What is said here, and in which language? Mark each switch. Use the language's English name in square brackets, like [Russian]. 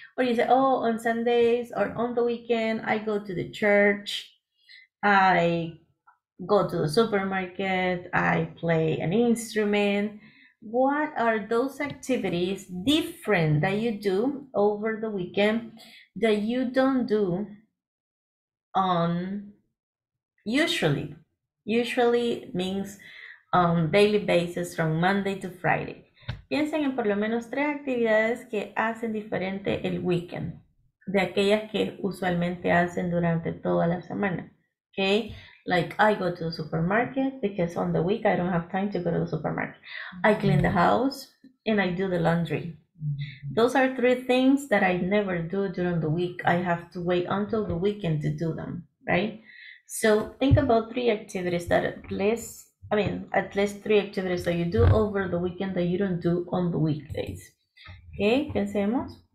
[English] Or you say, oh, on Sundays or on the weekend, I go to the church, I go to the supermarket, I play an instrument. What are those activities different that you do over the weekend that you don't do on usually? Usually means on daily basis from Monday to Friday. [Spanish] Piensen en por lo menos tres actividades que hacen diferente el weekend de aquellas que usualmente hacen durante toda la semana. [English] Okay, like I go to the supermarket because on the week I don't have time to go to the supermarket. I clean the house and I do the laundry. Those are three things that I never do during the week. I have to wait until the weekend to do them, right? So think about three activities that at least three activities that you do over the weekend that you don't do on the weekdays. [Spanish] Okay, pensemos.